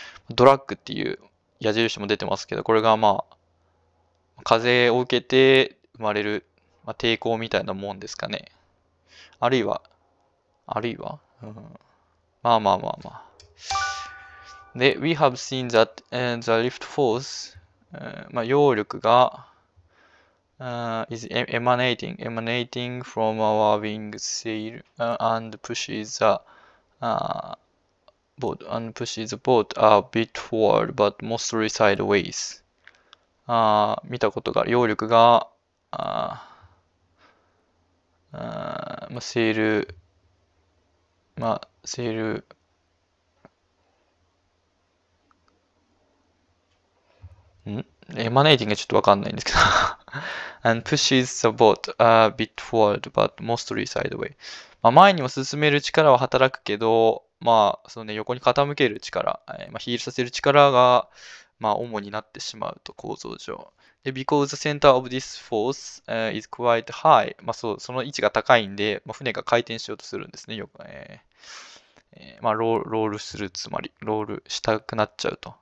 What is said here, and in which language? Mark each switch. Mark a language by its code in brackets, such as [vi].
[ja] ドラッグっていう矢印も出てますけど、これがまあ、風を受けて生まれる、まあ、抵抗みたいなもんですかね。あるいは、あるいは、まあまあまあまあ。 [en] で、we have seen that, the lift force、 [ja] まあ、揚力が、 [en] is emanating from our wing sail、and pushes the、boat, and pushes the boat a bit forward, but mostly sideways. [ja] 見たことがある。揚力が、まあ、セール、エマネーティングちょっとわかんないんですけど [en] and pushes the boat a bit forward, but mostly sideways. [ja] まあ前にも進める力は働くけど、まあそのね、横に傾ける力、まあ、ヒールさせる力が、まあ主になってしまうと、構造上。 [en] で、because the center of this force, is quite high. [ja] まあそう、その位置が高いんで、まあ、船が回転しようとするんですね、よく。まあ、ロールする、つまり、ロールしたくなっちゃうと。